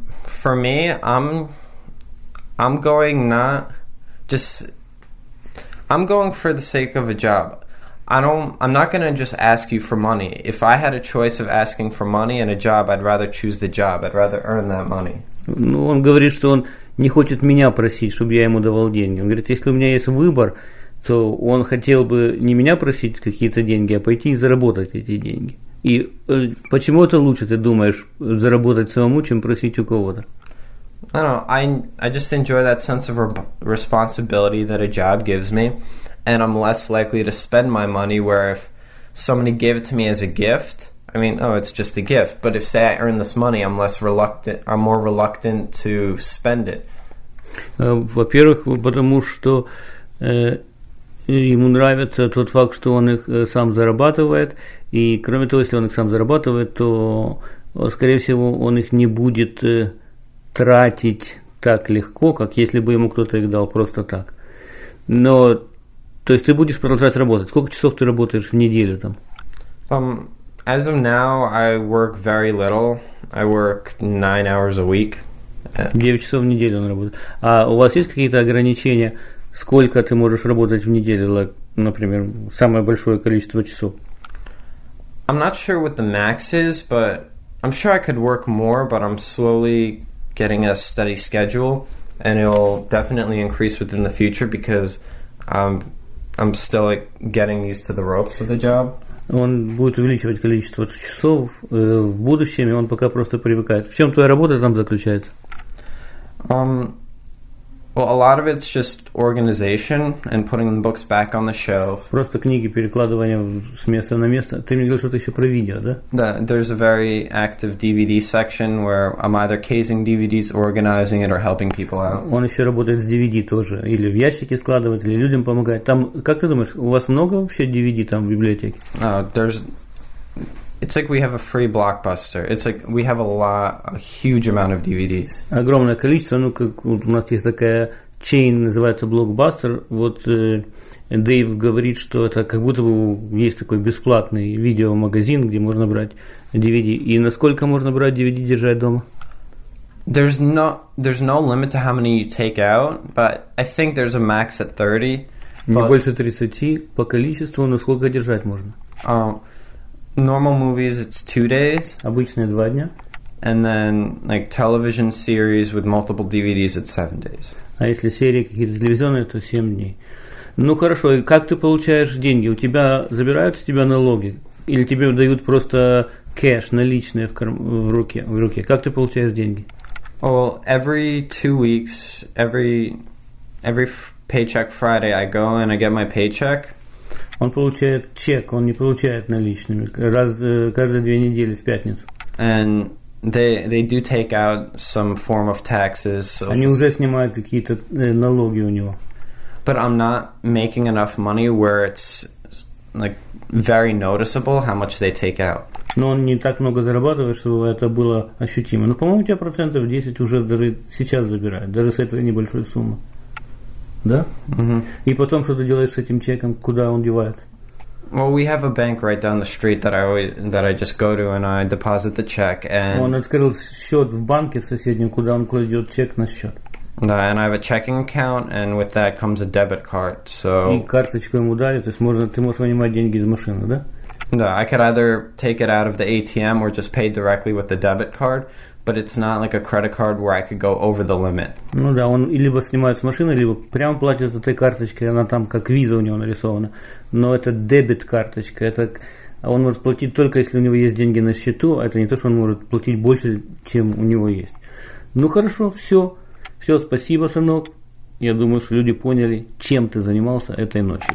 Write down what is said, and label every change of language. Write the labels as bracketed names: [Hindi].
[English] For me, I'm going for the sake of a job. I'm not going to just ask you for money. If I had a choice of asking for money and a job, I'd rather choose the job. I'd rather earn that money. [Russian] Ну, он говорит, что он не хочет меня просить, чтобы я ему давал деньги. Он говорит, если у меня есть выбор, то он хотел бы не меня просить какие-то деньги, а пойти и заработать эти деньги. И почему это лучше, ты думаешь, заработать самому, чем просить у кого-то? [English] I don't know. I just enjoy that sense of responsibility that a job gives me, and I'm less likely to spend my money. Where if somebody gave it to me as a gift, I mean, oh, it's just a gift. But if say I earn this money, I'm more reluctant to spend it. [Russian] Во-первых, потому что ему нравится тот факт, что он их сам зарабатывает. И кроме того, если он их сам зарабатывает, то, скорее всего, он их не будет тратить так легко, как если бы ему кто-то их дал просто так. Но, то есть, ты будешь продолжать работать. Сколько часов ты работаешь в неделю там? [English] As of now, I work very little. I work 9 hours a week. [Russian] 9 часов в неделю он работает. А у вас есть какие-то ограничения, сколько ты можешь работать в неделю, например, самое большое количество часов? [English] I'm not sure what the max is, but I'm sure I could work more, but I'm slowly getting a steady schedule, and it'll definitely increase within the future, because I'm still getting used to the ropes of the job. [Russian] Он будет увеличивать количество часов в будущем, и он пока просто привыкает. В чем твоя работа там заключается? [English] Well, a lot of it's just organization and putting the books back on the shelf. [Russian] Просто книги перекладывание с места на место. Ты мне говорил, что это еще про видео, да? [English] Да, there's a very active DVD section where I'm either casing DVDs, organizing it, or helping people out. [Russian] Он еще работает с DVD тоже, или в ящики складывать, или людям помогать. Там, как ты думаешь, у вас много вообще DVD там в библиотеке? [English] It's like we have a free Blockbuster. It's like we have a huge amount of DVDs. [Russian] Огромное количество, ну как вот у нас есть такая chain, называется Blockbuster. Вот Дэйв говорит, что это как будто бы есть такой бесплатный видеомагазин, где можно брать DVD. И насколько можно брать DVD держать дома? [English] There's no limit to how many you take out, but I think there's a max at 30. [Russian] Не больше 30 по количеству, но сколько держать можно? [English] Normal movies, it's 2 days. [Russian] Обычные 2 дня. [English] And then, television series with multiple DVDs, it's 7 days. [Russian] А если серии какие-то телевизионные, то 7 дней. Ну, хорошо, и как ты получаешь деньги? У тебя забирают с тебя налоги? Или тебе дают просто кэш, наличные в руке? Как ты получаешь деньги? [English] Well, every 2 weeks, every paycheck Friday, I go and I get my paycheck. [Russian] Он получает чек, он не получает наличными. Каждые 2 недели, в пятницу. [English] And they do take out some form of taxes. [Russian] So они уже снимают какие-то налоги у него. [English] But I'm not making enough money where it's like very noticeable how much they take out. [Russian] Но он не так много зарабатывает, чтобы это было ощутимо. Но, по-моему, у тебя процентов 10 уже даже сейчас забирают, даже с этой небольшой суммы. Да? Mm-hmm. И потом что ты делаешь с этим чеком, куда он девает? [English] Well, we have a bank right down the street that I just go to and I deposit the check. And [Russian] он открыл счет в банке в соседнем, куда он кладет чек на счет. [English] Да, and I have a checking account, and with that comes a debit card. So [Russian] и карточку ему дали, то есть можно, ты можешь вынимать деньги из машины, да? [English] No, I could either take it out of the ATM or just pay directly with the debit card, but it's not like a credit card where I could go over the limit. [Russian] Ну да, он либо снимает с машины, либо прямо платит этой карточкой, она там как виза у него нарисована. Но это дебет-карточка, это он может платить только если у него есть деньги на счету, а это не то, что он может платить больше, чем у него есть. Ну хорошо, все. Все, спасибо, сынок. Я думаю, что люди поняли, чем ты занимался этой ночью.